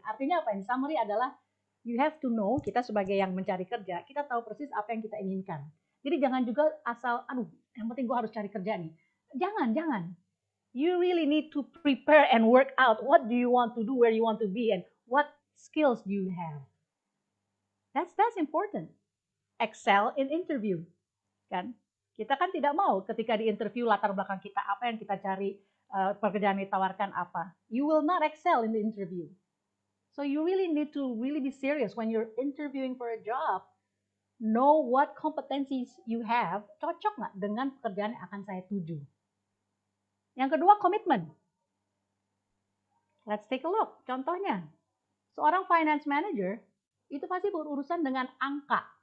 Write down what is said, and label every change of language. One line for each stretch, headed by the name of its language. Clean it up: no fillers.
Indonesian: Artinya apa?
English: In summary
Indonesian: adalah
English: you have to know,
Indonesian: kita sebagai yang mencari kerja, kita tahu persis apa yang kita inginkan. Jadi jangan juga asal, aduh, yang penting gue harus cari kerja nih. Jangan, jangan.
English: You really need to prepare and work out what do you want to do, where you want to be, and what skills do you have. That's important. Excel in interview.
Indonesian: Kan? Kita kan tidak mau ketika di interview latar belakang kita, apa yang kita cari, pekerjaan ditawarkan apa.
English: You will not excel in the interview. So you really need to really be serious when you're interviewing for a job. Know what competencies you have,
Indonesian: cocok nggak dengan pekerjaan yang akan saya tuju. Yang kedua, commitment.
English: Let's take a look.
Indonesian: Contohnya, seorang finance manager itu pasti berurusan dengan angka.